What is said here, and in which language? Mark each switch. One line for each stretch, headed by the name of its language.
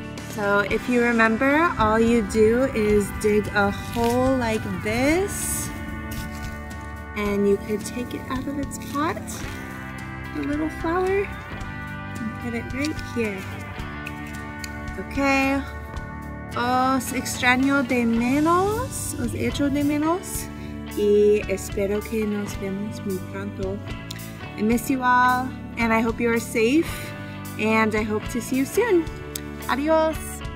English: So if you remember, all you do is dig a hole like this, and you could take it out of its pot, the little flower, and put it right here. Okay.
Spanish: Os extraño de menos, os echo de menos, y espero que nos vemos muy pronto.
English: I miss you all. And I hope you are safe, and I hope to see you soon. Adios!